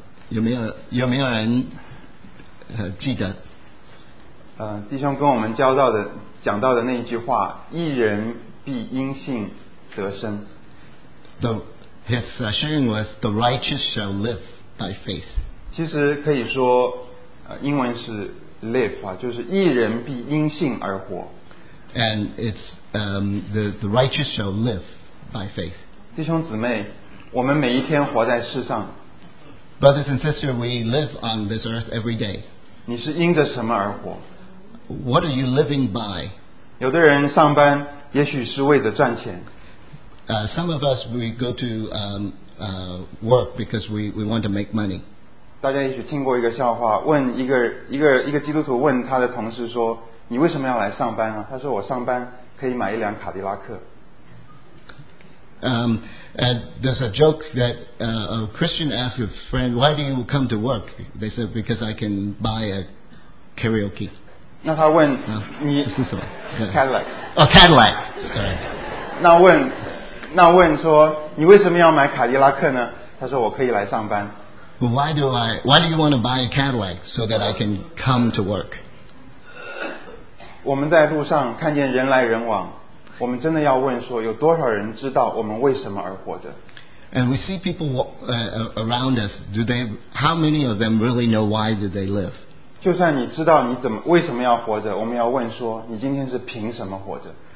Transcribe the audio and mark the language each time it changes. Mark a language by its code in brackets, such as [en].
[zh] 有没有人记得弟兄跟我们教导的讲到的那一句话一人必因信得生 [en] So his sharing was the righteous shall live By faith. [zh] 其实可以说英文是 live、啊、就是义人必因信而活 [en] And it's the righteous shall live by faith [zh] 弟兄姊妹我们每一天活在世上 [en] Brothers and sisters we live on this earth every day [zh] 你是因着什么而活 [en] What are you living by [zh] 有的人上班也许是为着赚钱 [en] Some of us we go to work because we want to make money. [zh] 大家也许听过一个笑话，问一个基督徒问他的同事说：“你为什么要来上班啊？”他说：“我上班可以买一辆卡迪拉克。” [en] There's a joke that a Christian asked a friend, "Why do you come to work?" They said, "Because I can buy a karaoke." [zh] 那他问, [en] Cadillac. Oh, Cadillac. Sorry. [zh] 那问说你为什么要买卡迪拉克呢？他说我可以来上班。 [en] Why do you want to buy a Cadillac so that I can come to work? [zh] 我们在路上看见人来人往。 [en] And we see people around us. How many of them really know why do they live? [zh] 就算你知道你怎么为什么要活着, 我们要问说, 你今天是凭什么活着?